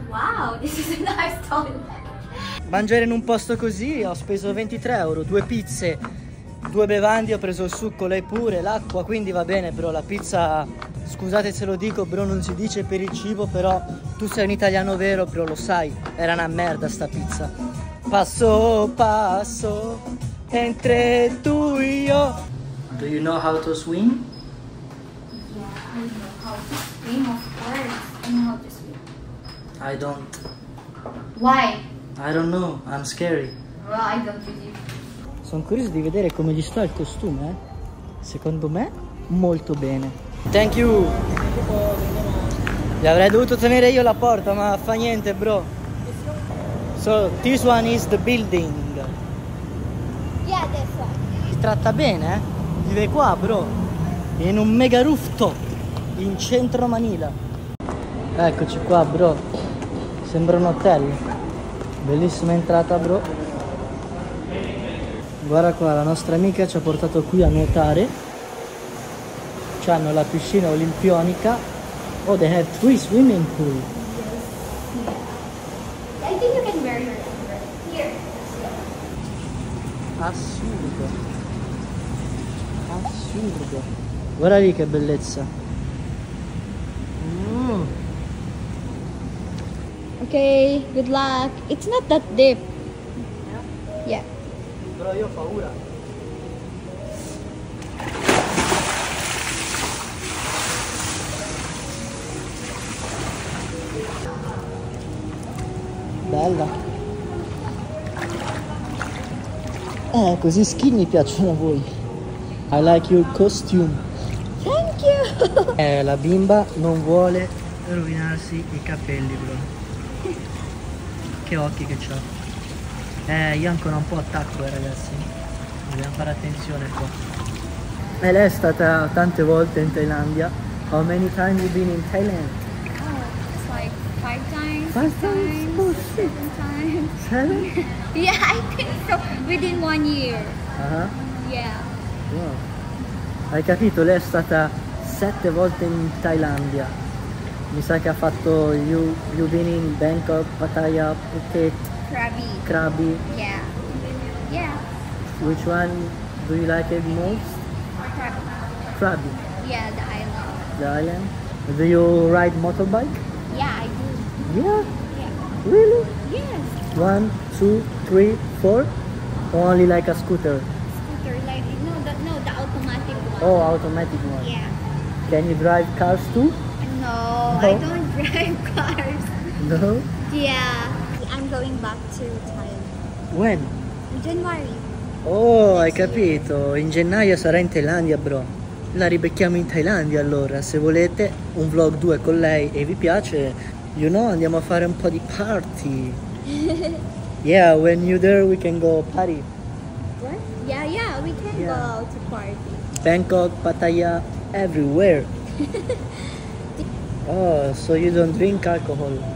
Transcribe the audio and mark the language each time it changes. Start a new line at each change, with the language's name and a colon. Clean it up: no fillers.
English: Wow, this is a nice toilet.
Italian: Mangiare in un posto così, ho speso 23 euro, due pizze, due bevande, ho preso il succo, lei pure, l'acqua, quindi va bene, bro, la pizza, scusate se lo dico, bro, non si dice per il cibo, però tu sei un italiano vero, bro, lo sai, era una merda sta pizza. Passo, passo, entre tu e io.
English: Do you know how to swim? Yeah, I know how to swim, of course, I know how to swim. I don't. Why? I don't know, I'm scary. Well, I don't believe.
Italian: Sono curioso di vedere come gli sta il costume, eh? Secondo me, molto bene.
English: Thank you.
Italian: Gli avrei dovuto tenere io la porta, ma fa niente, bro.
English: So, this one is the building. Yeah, that's one.
Italian: Si tratta bene, eh? Vive qua, bro. In un mega rooftop in centro Manila. Eccoci qua, bro. Sembra un hotel. Bellissima entrata, bro. Guarda qua, la nostra amica ci ha portato qui a nuotare. C'hanno la piscina olimpionica.
English: Oh, they have three swimming pool. Yes. Yeah. I think you can wear your underwear here. Yeah.
Italian: Assurdo. Assurdo. Guarda lì che bellezza.
English: Okay, good luck. It's not that deep. Yeah? Yeah.
Italian: Però io ho paura. Bella. Così skinny piacciono a voi.
English: I like your costume. Thank you.
Italian: La bimba non vuole rovinarsi i capelli, bro. Che occhi che c'ho. Io ancora un po' attacco, ragazzi. Dobbiamo fare attenzione qua. E lei è stata tante volte in Thailandia.
English: How many times you been in Thailand? Oh, it's like five times. Five times? Times, oh, shit. Seven times. Seven? Yeah, I think so. Within one year. Uh-huh. Yeah.
Italian: Wow. Hai capito? Lei è stata sette volte in Thailandia. Mi sa che ha fatto
English: you've been in Bangkok, Pattaya, Phuket, Krabi. Yeah. Which one do you like it most? Krabi. Yeah, the island. The island. Do you ride motorbike? Yeah, I do. Yeah. Yeah. Really? Yes. 1, 2, 3, 4. Or only like a scooter. Scooter, like no, the automatic one. Oh, automatic one. Yeah. Can you drive cars too? No, I don't drive cars. No? Yeah. I'm going back to Thailand. When? In January. Oh, next
Italian: hai capito.
English: Year.
Italian: In gennaio sarà in Thailandia, bro. La ribecchiamo in Thailandia, allora. Se volete un vlog 2 con lei e vi piace,
English: you know,
Italian: andiamo a fare un po' di party.
English: Yeah, when you're there, we can go party. What? Yeah, we can go to party. Bangkok, Pattaya, everywhere. Oh, so you don't drink alcohol?